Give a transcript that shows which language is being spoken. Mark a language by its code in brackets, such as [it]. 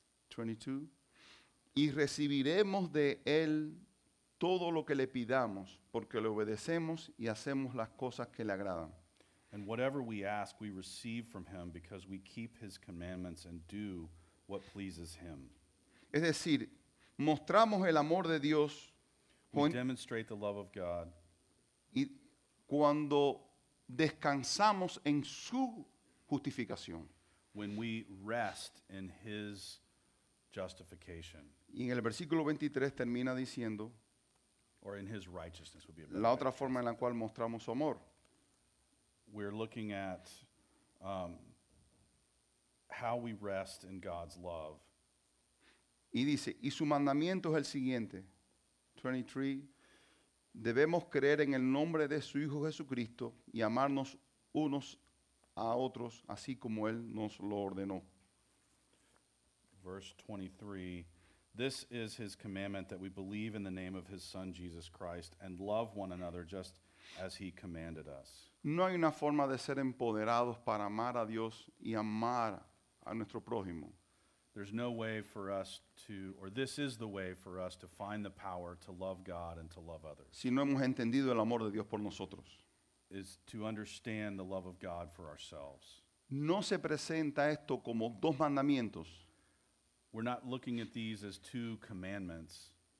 [es] 22. Y recibiremos de él todo lo que le pidamos, porque le obedecemos y hacemos las cosas que le agradan. [en] And whatever we ask, we receive from him because we keep his commandments and do what pleases him. [es] Es decir, mostramos el amor de Dios. [en] We demonstrate the love of God. [es] Y cuando descansamos en su justificación. [en] When we rest in his justification. [es] Y en el versículo 23 termina diciendo. [en] Or in his righteousness would be a better. [es] La otra forma en la cual mostramos su amor. [en] We're looking at how we rest in God's love. [es] Y dice, y su mandamiento es el siguiente. 23. Debemos creer en el nombre de su Hijo Jesucristo y amarnos unos a otros, así como Él nos lo ordenó. [en] Verse 23. This is his commandment, that we believe in the name of his Son, Jesus Christ, and love one another just as he commanded us. [es] No hay una forma de ser empoderados para amar a Dios y amar a nuestro prójimo. [en] There's no way for us to, or this is the way for us to find the power to love God and to love others. [es] Si no hemos entendido el amor de Dios por nosotros. [en] Is to understand the love of God for ourselves. [es] No se presenta esto como dos mandamientos. [en] We're not looking at these as two commandments.